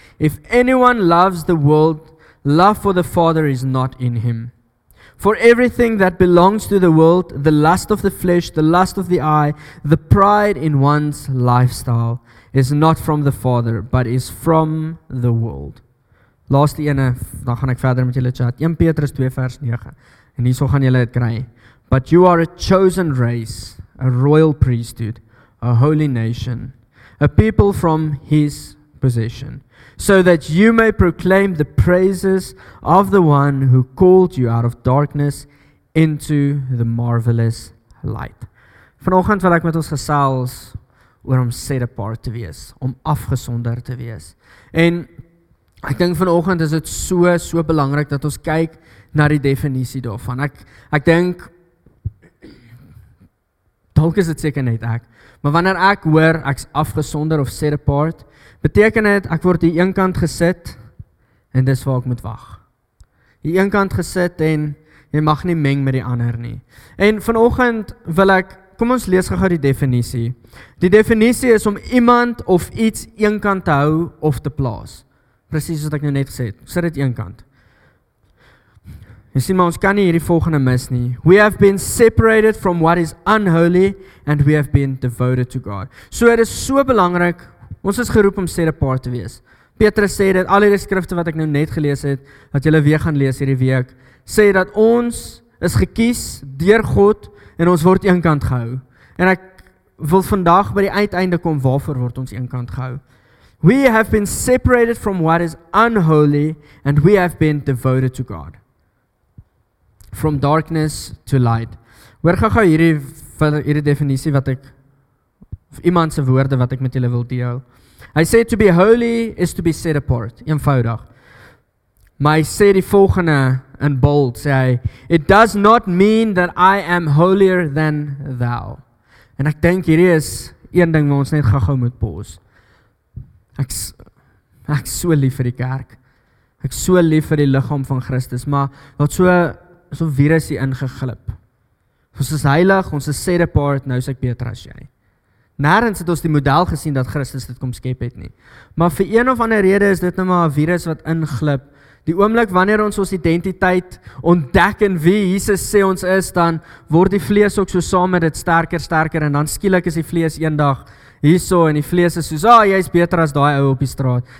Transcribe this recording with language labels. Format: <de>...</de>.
<en>If anyone loves the world, love for the Father is not in him. For everything that belongs to the world, the lust of the flesh, the lust of the eye, the pride in one's lifestyle, is not from the Father, but is from the world.</en> <af>Laaste ene, dan gaan ek verder met julle chat. 1 Petrus 2 vers 9. En hierso gaan julle dit kry.</af> <en>But you are a chosen race, a royal priesthood, a holy nation, a people from his possession, so that you may proclaim the praises of the one who called you out of darkness into the marvelous light.</en> <af>Vanoggend wil ek met ons gesels oor om set apart te wees, om afgesonder te wees. En ek dink vanoggend is dit so belangrik dat ons kyk na die definisie daarvan. Ek dink, dalk is dit seker net ek, maar wanneer ek hoor, ek is afgesonder of set apart, beteken dit, ek word die een kant gesit, en dis waar ek moet wag. Die een kant gesit, en jy mag nie meng met die ander nie. En vanoggend wil ek, kom ons lees gou die definisie. Die definisie is om iemand of iets een kant te hou of te plaas. Precies wat ek nou net gesê het, sit dit een kant. Jy sien, maar ons kan nie hierdie volgende mis nie.</af> <en>We have been separated from what is unholy and we have been devoted to God.</en> <af>So het is so belangrik, ons is geroep om set apart te wees. Petrus sê dat al die skrifte wat ek nou net gelees het, wat julle weer gaan lees hierdie week, sê dat ons is gekies deur God en ons word een kant gehou. En ek wil vandag by die uiteinde kom waarvoor word ons een kant gehou.</af> <en>We have been separated from what is unholy, and we have been devoted to God. From darkness to light.</en> <af>Hoor gou-gou hierdie definisie wat ek, of iemand se woorde wat ek met julle wil deel. Hy sê, to be holy is to be set apart. Eenvoudig. Maar hy sê die volgende in bold, sê hy, it does not mean that I am holier than thou. En ek denk hierdie is een ding wat ons net gou-gou moet pause. Ek so lief vir die kerk. Ek so lief vir die liggaam van Christus, maar wat so virus hier ingeglip. Ons is heilig, ons is set apart, nou is ek beter as jy. Nergens het ons die model gesien dat Christus dit kom skep het nie. Maar vir een of ander rede is dit nou maar 'n virus wat inglip. Die oomblik wanneer ons identiteit ontdek en wie Jesus sê ons is, dan word die vlees ook so saam met dit sterker en dan skielik is die vlees eendag hierso en die vlees is soos, ah, jy is beter as die ou op die straat.</af>